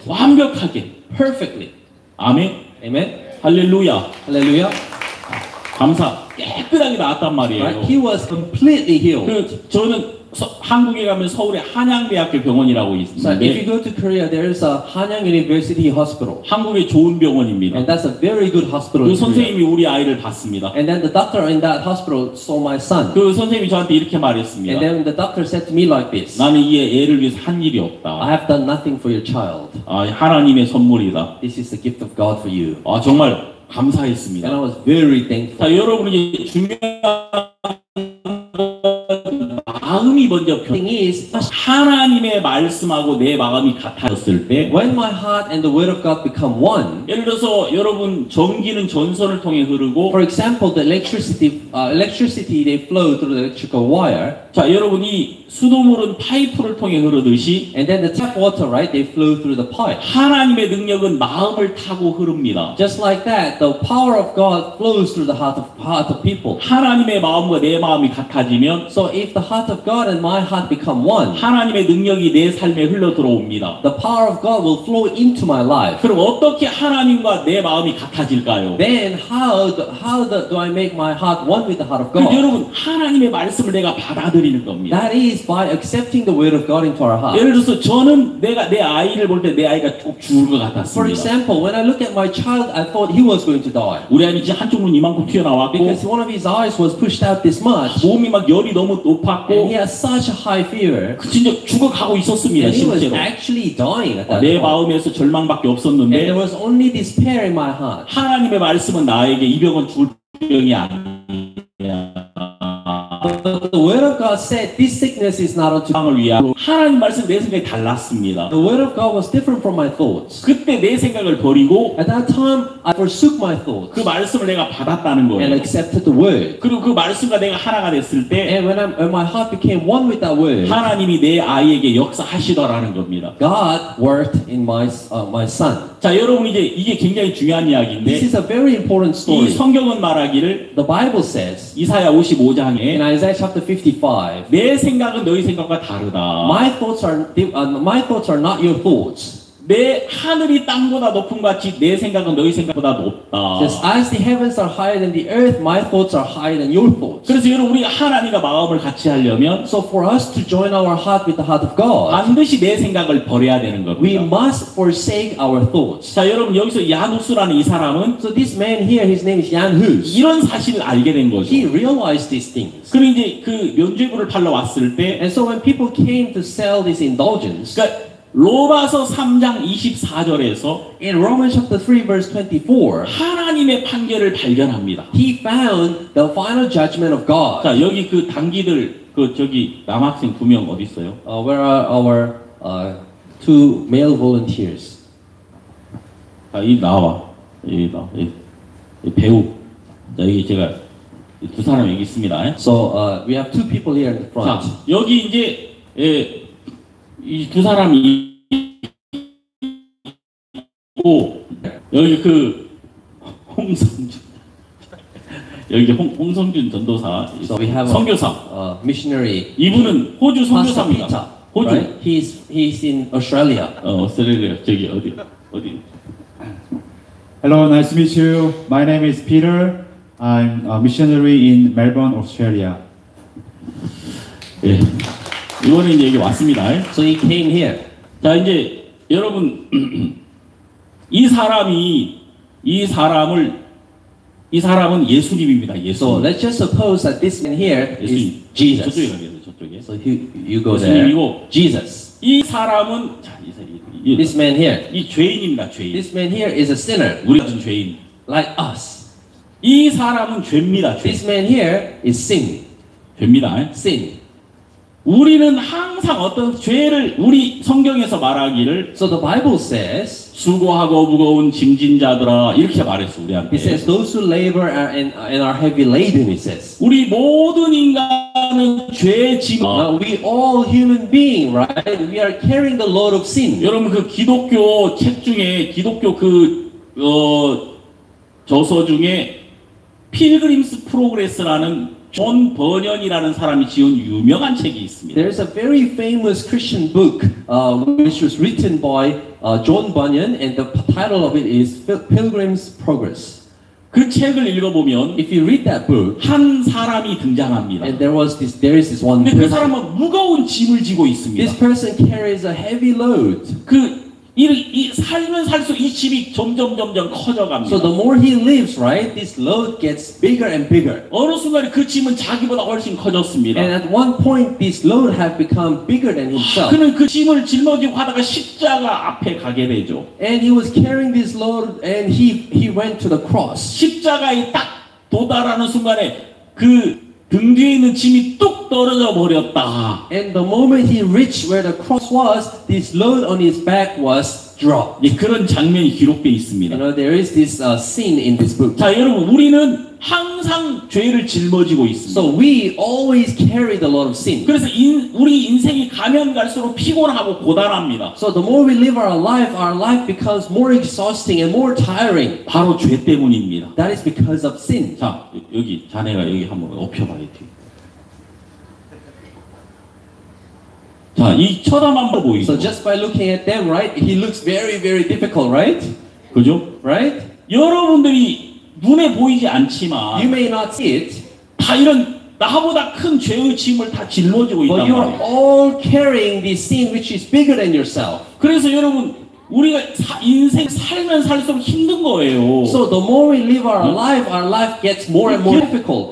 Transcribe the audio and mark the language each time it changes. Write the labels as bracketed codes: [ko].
[ko] 완벽하게. [en] Perfectly. [ko] 아멘. 아멘. 할렐루야. 할렐루야. 감사. 깨끗하게 나았단 말이에요. [en] Right? He was completely healed. [ko] 그 저는 한국에 가면 서울에 한양대학교 병원이라고 있는데. [en] So if you go to Korea, there is a Hanyang University Hospital. [ko] 한국의 좋은 병원입니다. [en] And that's a very good hospital. [ko] 그 선생님이 우리 아이를 봤습니다. [en] And then the doctor in that hospital saw my son. [ko] 그 선생님이 저한테 이렇게 말했습니다. [en] And then the doctor said to me like this. [ko] 나는 이 애를 위해서 한 일이 없다. [en] I have done nothing for your child. [ko] 아, 하나님의 선물이다. [en] This is the gift of God for you. [ko] 아, 정말 감사했습니다. [en] And I was very thankful. [ko] 자, 여러분이 중요한 마음이 먼저 하나님의 말씀하고 내 마음이 같아졌을 때 [en] when my heart and the word of God become one [ko] 예를 들어서 여러분 전기는 전선을 통해 흐르고 [en] for example the electricity they flow through the electrical wire [ko] 자 여러분이 수도물은 파이프를 통해 흐르듯이 [en] and then the tap water right they flow through the pipe [ko] 하나님의 능력은 마음을 타고 흐릅니다 [en] just like that the power of God flows through the heart of people [ko] 하나님의 마음과 내 마음이 같아지면 [en] so if the heart of God and my heart become one [ko] 하나님의 능력이 내 삶에 흘러 들어옵니다 [en] the power of God will flow into my life [ko] 그럼 어떻게 하나님과 내 마음이 같아질까요 [en] then how do I make my heart one with the heart of God [ko] 그럼 여러분 하나님의 말씀을 내가 받아들이는 겁니다 [en] that is by accepting the word of God into our heart [ko] 예를 들어서 저는 내가 내 아이를 볼 때 내 아이가 죽을 것 같았습니다 [en] for example when I look at my child I thought he was going to die [ko] 우리 아이 이제 한쪽 눈 이만큼 튀어나왔고 [en] because one of his eyes was pushed out this much [ko] 몸이 막 열이 너무 높았고 [en] And he has such a high fever. [ko] 그 진짜 죽어가고 있었습니다. [en] And he [ko] 실제로. [en] was actually dying at that time. [ko] 내 마음에서 절망밖에 없었는데. [en] And there was only despair in my heart. [ko] 하나님의 말씀은 나에게 이 병은 죽을 병이 아니야. [en] The word of God said, "This sickness is not unto you." [ko] 하나님 말씀 내 생각이 달랐습니다. [en] The word of God was different from my thoughts. [ko] 그때 내 생각을 버리고. [en] At that time, I forsook my thoughts. [ko] 그 말씀을 내가 받았다는 거예요. [en] And accepted the word. [ko] 그리고 그 말씀과 내가 하나가 됐을 때. [en] And when my heart became one with that word. [ko] 하나님이 내 아이에게 역사하시더라는 겁니다. [en] God worked in my son. [ko] 자, 여러분 이제 이게 굉장히 중요한 이야기인데. [en] This is a very important story. [ko] 이 성경은 말하기를. [en] The Bible says. [ko] 이사야 55장에. [en] In Isaiah chapter 55. [ko] 내 생각은 너희 생각과 다르다. [en] My thoughts are not your thoughts. [ko] 내 하늘이 땅보다 높은 같이 내 생각은 너희 생각보다 높다. [en] Just as the heavens are higher than the earth, my thoughts are higher than your thoughts. [ko] 그래서 여러분 우리가 하나님과 마음을 같이 하려면 [en] So for us to join our heart with the heart of God [ko] 반드시 내 생각을 버려야 되는 겁니다. [en] We must forsake our thoughts. [ko] 자 여러분 여기서 야누스라는 이 사람은 [en] So this man here, his name is Jan Hus. [ko] 이런 사실을 알게 된 거죠. [en] He realized these things. [ko] 그럼 이제 그 면죄부를 팔러 왔을 때 [en] And so when people came to sell this indulgence [ko] 그러니까 로마서 3장 24절에서 [en] In Romans chapter 3 verse 24 [ko] 하나님의 판결을 발견합니다. [en] He found the final judgment of God. [ko] 자, 여기 그 단기들 그 저기 남학생 두 명 어디 있어요? [en] Where are our two male volunteers? [ko] 자, 이 나와. 여기 나. 이 배우. 자, 여기 제가 두 사람 여기 있습니다. 에? [en] So we have two people here in the front. [ko] 자, 여기 이제 예 이 두 사람이 있고 여기 그 홍성준 여기 홍성준 전도사 [en] so we have [ko] 선교사 [en] missionary [ko] 이분은 호주 선교사입니다 [en] Peter, [ko] 호주 [en] right? he's in Australia [ko] 오스트레일리아 저기 어디 [en] Hello, nice to meet you. My name is Peter. I'm a missionary in Melbourne, Australia. [ko] 예. 이번에 이제 여기 왔습니다. [en] So he came here. [ko] 자 이제 여러분 이 사람은 예수님입니다. 예수. [en] So let's just suppose that this man here is Jesus. [ko] 저쪽에 가겠어요. 저쪽에. [en] So you go there. [ko] 예수님이고 [en] Jesus. [ko] 이 사람은 자 이 사람이 [en] This man here. [ko] 이 죄인입니다. 죄인. [en] This man here is a sinner. [ko] 우리 같은 죄인. [en] Like us. [ko] 이 사람은 죄입니다. 죄. [en] This man here is sin. [ko] 죄입니다. [en] Sin. [ko] 우리는 항상 어떤 죄를 우리 성경에서 말하기를 [en] So the Bible says [ko] 수고하고 무거운 짐진 자들아 이렇게 말했어 우리한테 [en] He says those who labor and are heavy laden he says [ko] 우리 모든 인간은 죄짐아 [en] We all human being right we are carrying the load of sin [ko] 여러분 그 기독교 책 중에 기독교 그 저서 중에 필그림스 프로그레스라는 존 버년이라는 사람이 지은 유명한 책이 있습니다. [en] There is a very famous Christian book which was written by John Bunyan and the title of it is Pilgrim's Progress. [ko] 그 책을 읽어보면 [en] if you read that book, [ko] 한 사람이 등장합니다. [en] And there was this, there is this one. [ko] 근데 그 사람은 무거운 짐을 지고 있습니다. [en] This person carries a heavy load. [ko] 그 이 살면 살수록 이 짐이 점점 커져갑니다. [en] So the more he lives, right, this load gets bigger and bigger. [ko] 어느 순간에 그 짐은 자기보다 훨씬 커졌습니다. [en] And at one point, this load has become bigger than himself. [ko] 그는 그 짐을 짊어지고 하다가 십자가 앞에 가게 되죠. [en] And he was carrying this load, and he went to the cross. [ko] 십자가에 딱 도달하는 순간에 그 등 뒤에 있는 짐이 뚝 떨어져 버렸다. [en] And the moment he reached where the cross was, this load on his back was dropped. [ko] 예, 그런 장면이 기록되어 있습니다. [en] You know, there is this scene in this book. [ko] 자, 여러분, 우리는 항상 죄를 짊어지고 있습니다. [en] So we always carry the load of sin. [ko] 그래서 우리 인생이 가면 갈수록 피곤하고 고단합니다. [en] So the more we live our life becomes more exhausting and more tiring. [ko] 바로 죄 때문입니다. [en] That is because of sin. [ko] 자, 여기 자네가 여기 한번 엎혀봐야지. 자, 이 쳐다만 봐도 보이죠? [en] So just by looking at them, right? He looks very, very difficult, right? [ko] 그죠? [en] Right? [ko] 여러분들이 눈에 보이지 않지만 [en] you may not see it. [ko] 다 이런 나보다 큰 죄의 짐을 다 짊어지고 있단 말이에요. [en] But you're all carrying this sin which is bigger than yourself. [ko] 그래서 여러분 우리가 인생 살면 살수록 힘든 거예요. [en] So the more we live our life gets more and more difficult.